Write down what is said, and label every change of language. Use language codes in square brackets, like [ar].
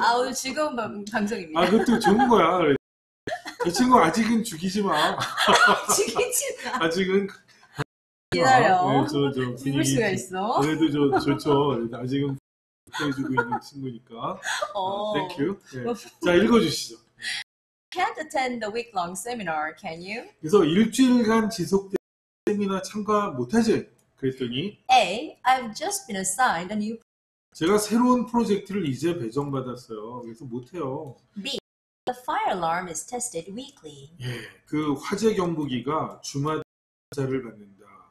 [ko] 아, 오늘 즐거운 방송입니다. 아, 그것도 좋은 거야. 저 친구 아직은 죽이지 마. 죽이지 마. 아직은. 기다려. 네, 저 죽을 수가 있어. 그래도 저 좋죠. 아직은 해주고 있는 친구니까. 땡 큐. 네. 자, 읽어주시죠. [en] Can't attend the week-long seminar, can you? [ko] 그래서 일주일간 지속된 세미나 참가 못하지? 그랬더니 [en] A. I've just been assigned a new [ko] 제가 새로운 프로젝트를 이제 배정받았어요. 그래서 못해요. [en] B. The fire alarm is tested weekly. [ko] 예, 그 화재 경보기가 주마다 검사를 받는다.